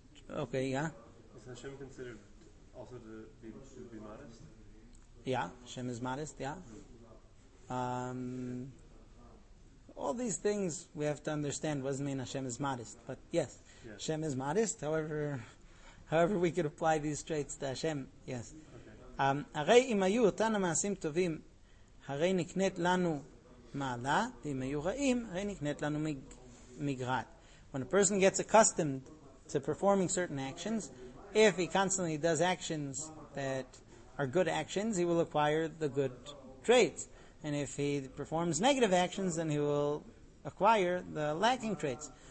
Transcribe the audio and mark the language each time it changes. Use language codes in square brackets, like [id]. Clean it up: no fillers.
[en] Is Hashem considered also to be modest? Yeah, Hashem is modest, yeah. All these things we have to understand doesn't mean Hashem is modest, but yes, Hashem is modest, however we could apply these traits to Hashem, yes. [he] הרי אם היו אותן המעשים טובים, הרי נקנית לנו מעלה, ואם היו רעים, הרי נקנית לנו מגרד. [en] When a person gets accustomed to performing certain actions, if he constantly does actions that are good actions, he will acquire the good traits. And if he performs negative actions, then he will acquire the lacking traits.